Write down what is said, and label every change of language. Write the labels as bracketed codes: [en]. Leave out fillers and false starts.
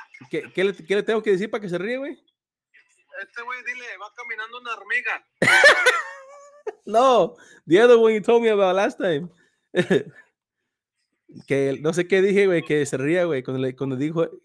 [es] ¿Qué le tengo que decir para que se ríe, güey? Este güey, dile, va caminando una hormiga. [en] No, the other one you told me about last time. [es] Que no sé qué dije, güey, que se ría, güey, cuando dijo.